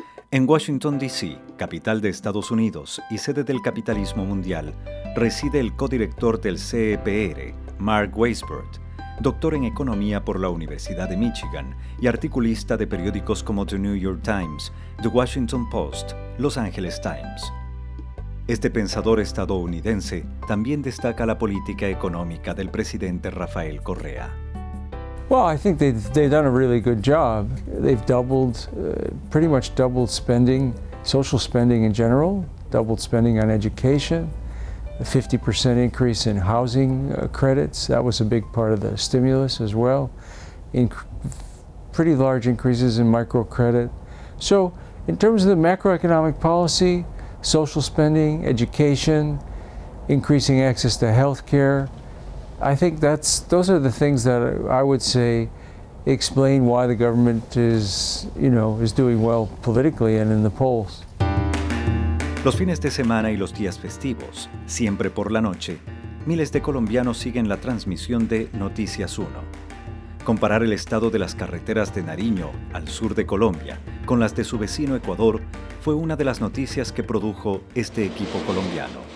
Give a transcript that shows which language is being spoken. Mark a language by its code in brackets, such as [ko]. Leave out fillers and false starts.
[es] En Washington, D.C., capital de Estados Unidos y sede del capitalismo mundial, reside el codirector del CEPR, Mark Weisbord, doctor en economía por la Universidad de Michigan y articulista de periódicos como The New York Times, The Washington Post, Los Angeles Times. Este pensador estadounidense también destaca la política económica del presidente Rafael Correa. [en] Well, I think they've done a really good job. They've doubled spending, social spending in general, doubled spending on education. A 50% increase in housing credits, that was a big part of the stimulus as well. Pretty large increases in microcredit. So in terms of the macroeconomic policy, social spending, education, increasing access to health care, I think those are the things that I would say explain why the government is doing well politically and in the polls. [es] Los fines de semana y los días festivos, siempre por la noche, miles de colombianos siguen la transmisión de Noticias 1. Comparar el estado de las carreteras de Nariño, al sur de Colombia, con las de su vecino Ecuador, fue una de las noticias que produjo este equipo colombiano.